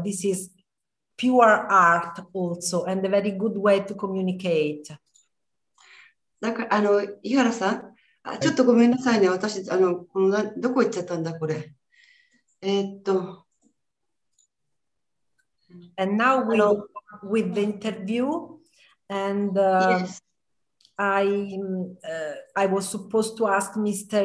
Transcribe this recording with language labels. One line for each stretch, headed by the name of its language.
English: This is pure art also and a very good way to communicate.
Japanese: だから井原さん、あ、ちょっとごめんなさいね。私このどこ行っちゃったんだこれ。
English: And now we are with the interview and I was supposed to ask Mr.